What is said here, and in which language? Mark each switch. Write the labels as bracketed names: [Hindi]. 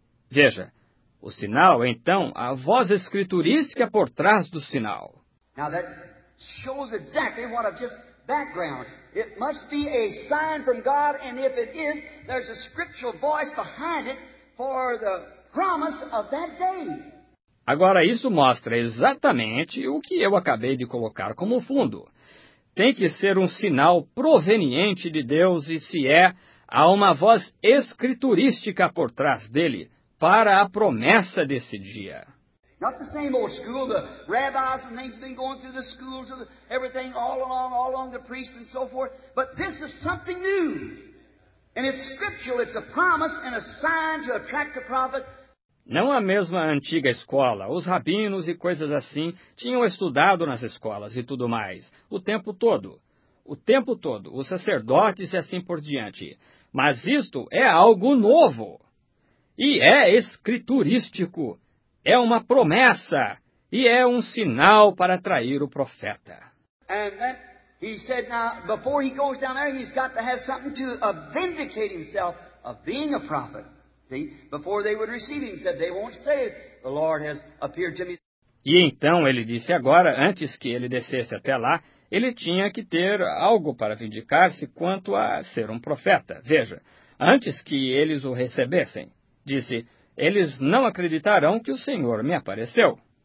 [Portuguese] Veja, o sinal, então, a voz escriturística por trás do sinal. [English] Now that shows exactly what I've just background. It must be a sign from God, and if it is, there's a scriptural voice behind it for the promise of that day. [Portuguese] Agora, isso mostra exatamente o que eu acabei de colocar como fundo. Tem que ser um sinal proveniente de Deus, e se é, há uma voz escriturística por trás dele, para a promessa desse dia. [English] Not the same old school, the rabbis and things have been going through the schools of everything all along the priests and so forth. But this is something new. And it's scriptural, it's a promise and a sign to attract the prophet. [Portuguese] Não a mesma antiga escola. Os rabinos e coisas assim tinham estudado nas escolas e tudo mais, o tempo todo. O tempo todo, os sacerdotes e assim por diante. Mas isto é algo novo. E é escriturístico. É uma promessa e é um sinal para atrair o profeta. [English] And then he said, now, before he goes down there, he's got to have something to vindicate himself of being a prophet. See, before they would receive him, he said, they won't say it. The Lord has appeared to me. [Portuguese] E então ele disse agora, antes que ele descesse até lá, ele tinha que ter algo para vindicar-se quanto a ser um profeta. Veja, antes que eles o recebessem, disse, eles não acreditarão que o Senhor me apareceu.